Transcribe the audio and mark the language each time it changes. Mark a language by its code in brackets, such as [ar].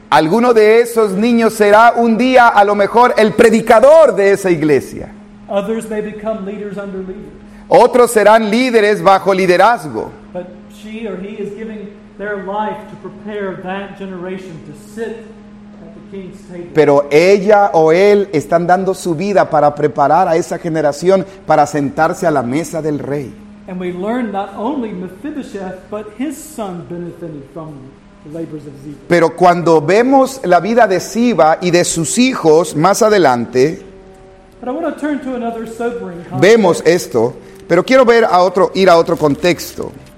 [es] Alguno de esos niños será un día, a lo mejor, el predicador de esa iglesia. [en] Others may become leaders under leaders. [es] Otros serán líderes bajo liderazgo. [en] But she or he is giving their life to prepare that generation to sit at the king's table. [es] Pero ella o él están dando su vida para preparar a esa generación para sentarse a la mesa del rey. [en] And we learn not only Mephibosheth, but his son benefited from the labors of Ziba. [es] Pero cuando vemos la vida de Ziba y de sus hijos más adelante, [en] But I want to turn to another sobering context. [es] Vemos esto, pero quiero ir a otro contexto.